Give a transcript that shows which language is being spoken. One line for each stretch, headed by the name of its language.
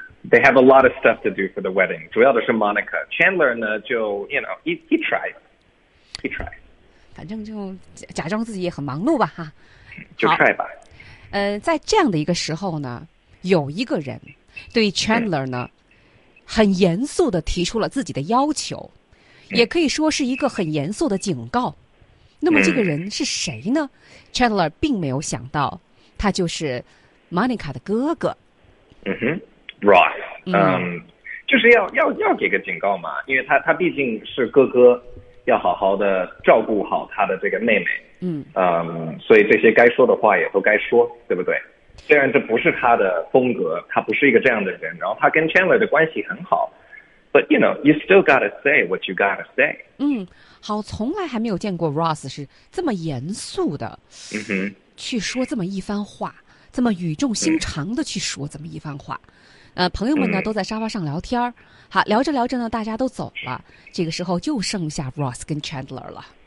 English: they have a lot of stuff to do for the wedding.
Chinese: 主要的是 Monica， Chandler 呢就
English: you know he tries，
Chinese: 反正就假装自己也很忙碌吧，哈，就 try 吧。在这样的一个时候呢，有一个人对 Chandler 呢很严肃的提出了自己的要求，也可以说是一个很严肃的警告。那么这个人是谁呢？Chandler 并没有想到他就是 Monica 的哥哥。嗯哼， Ross， 就是要给个警告嘛，因为他毕竟是哥哥，要好好的照顾好他的这个妹妹。所以这些该说的话也都该说，对不对？虽然这不是他的风格，他不是一个这样的人，然后他跟 Chandler 的关系很好。
English: But you know, you still gotta say what you gotta say.
Chinese: 好，从来还没有见过 Ross 是这么严肃的，去说这么一番话，这么语重心长的去说这么一番话。朋友们呢都在沙发上聊天，好，聊着聊着呢，大家都走了，这个时候就剩下 Ross 跟 Chandler 了。